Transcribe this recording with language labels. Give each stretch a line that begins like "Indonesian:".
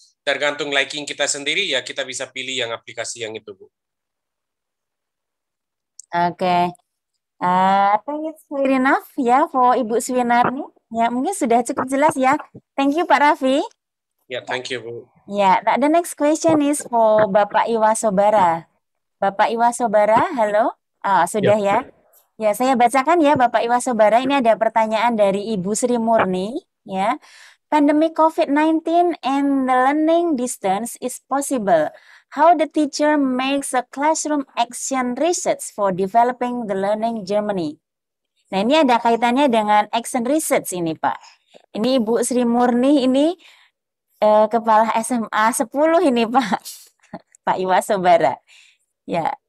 Indonesian: Tergantung liking kita sendiri ya kita bisa pilih yang aplikasi yang itu, Bu. Okay.
English: I think it's clear enough ya yeah, for Ibu Suwinarni.
Indonesian: Ya yeah, mungkin sudah cukup jelas ya. Yeah.
English: Thank you
Indonesian: Pak Raffi.
English: Yeah, thank you, Bu. Yeah, the next question is for Bapak Iwa Sobara.
Indonesian: Bapak Iwa Sobara, hello. Sudah ya. Yeah. Ya, saya bacakan ya Bapak Iwa Sobara. Ini ada pertanyaan dari Ibu Sri Murni. Ya.
English: Pandemic COVID-19 and the learning distance is possible. How the teacher makes a classroom action research for developing the learning Germany?
Indonesian: Nah, ini ada kaitannya dengan action research ini, Pak. Ini Ibu Sri Murni ini... Kepala SMA 10 ini Pak Iwa Sobara. Ya,